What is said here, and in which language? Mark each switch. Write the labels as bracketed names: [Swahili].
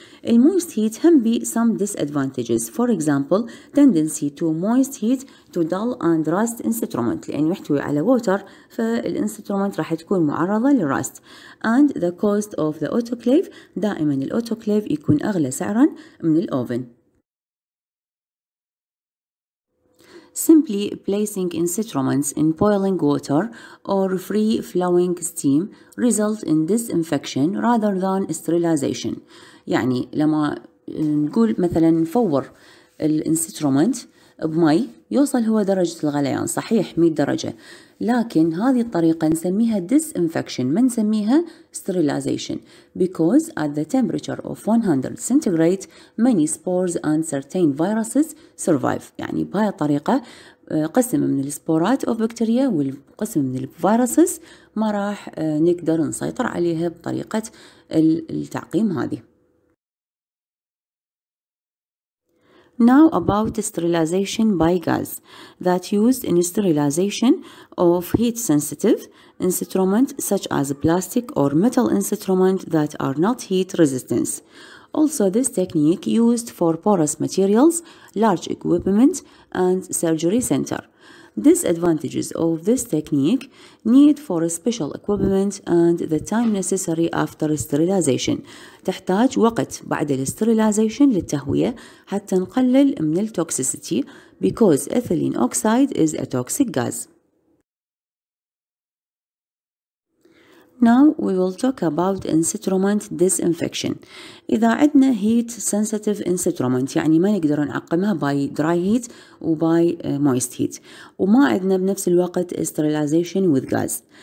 [English] الموست هيت هم بي some disadvantages، for example tendency to moist heat to dull and rust instrument، [Arabic] لانه يحتوي على ووتر فالانسترومنت راح تكون معرضه للراست. [English] and the cost of the autoclave, [Arabic] دائما الاوتوكليف يكون اغلى سعرا من الاوفن. [English] Simply placing instruments in boiling water or free flowing steam results in disinfection rather than sterilization. [Arabic] يعني لما نقول مثلا نفور الانسترومنت بمي يوصل هو درجة الغليان، صحيح 100 درجة، لكن هذه الطريقة نسميها disinfection ما نسميها sterilization، [English] because at the temperature of 100 centigrade many spores and certain viruses survive. [Arabic] يعني بهاي الطريقة قسم من السبورات أو بكتيريا والقسم من الفيروسز ما راح نقدر نسيطر عليها بطريقة التعقيم هذه. [English] Now about sterilization by gas that used in sterilization of heat sensitive instruments such as plastic or metal instruments that are not heat resistant. Also this technique used for porous materials, large equipment and surgery center. Disadvantages of this technique: need for special equipment and the time necessary after sterilization. [Arabic] تحتاج وقت بعد الاستريلايزيشن للتهوية حتى نقلل من التوكسيسيتي [English] because ethylene oxide is a toxic gas. Now we will talk about instrument disinfection. [Arabic] إذا عندنا heat sensitive instrument يعني ما نقدر نعقمها by dry heat وby moist heat وما عندنا بنفس الوقت sterilization with gas.